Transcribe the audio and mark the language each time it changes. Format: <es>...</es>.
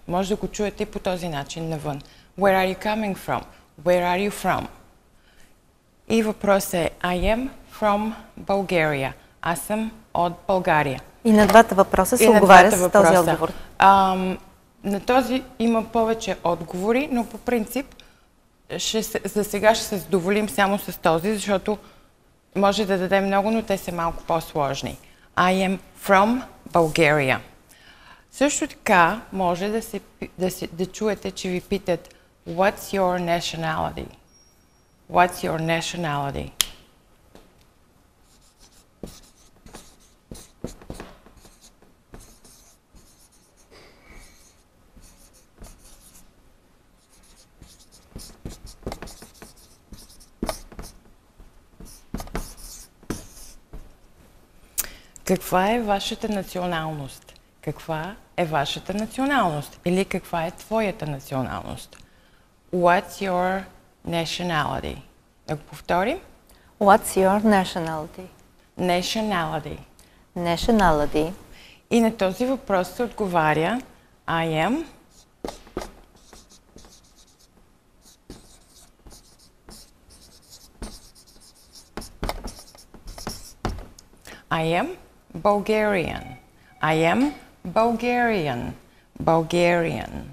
<bg>Може да го чуете и по този начин навън.</bg> <en>Where are you coming from? Where are you from?</en> <bg>И въпросът е</bg> <en>I am from Bulgaria.</en> <bg>Аз съм от България. И на двата въпроса се отговаря с този отговор. На този има повече отговори, но по принцип за сега ще се задоволим само с този, защото може да дадем много, но те са малко по-сложни.</bg> <en>I am from Bulgaria.</en> <bg>Също така може да чуете, че ви питат</bg> <en>What's your nationality? What's your nationality?</en> <bg>Каква е вашата националност? Каква е вашата националност? Или каква е твоята националност?</bg> <en>What's your nationality?</en> <bg>Да го повторим.</bg> <en>What's your nationality? Nationality. Nationality.</en> <bg>И на този въпрос се отговаря</bg> <en>I am... I am... Bulgarian. I am Bulgarian. Bulgarian.</en>